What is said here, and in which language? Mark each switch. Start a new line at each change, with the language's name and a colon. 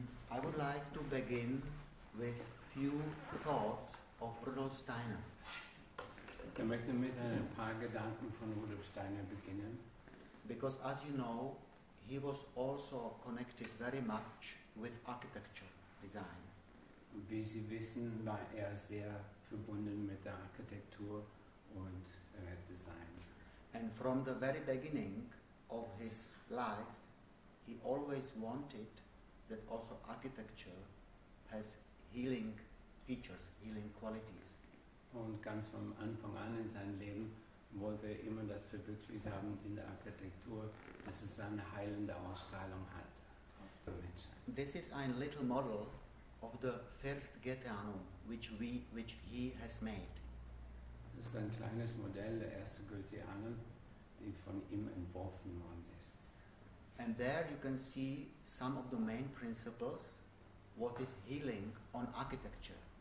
English: I would like to begin with few thoughts of Rudolf Steiner.
German: Ich möchte mit ein paar Gedanken von Rudolf Steiner beginnen.
English: Because as you know, he was also connected very much with architecture design.
German: Wie Sie wissen, war er sehr verbunden mit der Architektur und Design.
English: And from the very beginning of his life, he always wanted that also architecture has healing features, healing qualities.
German: Und ganz vom Anfang an in seinem Leben wollte er immer das verwirklicht haben in der Architektur, dass es eine heilende Ausstrahlung hat auf den Menschen.
English: This is a little model of the first Goetheanum, which he has made.
German: Das ist ein kleines Modell der erste Goetheanum, die von ihm entworfen worden ist.
English: And there you can see some of the main principles, what is healing on architecture.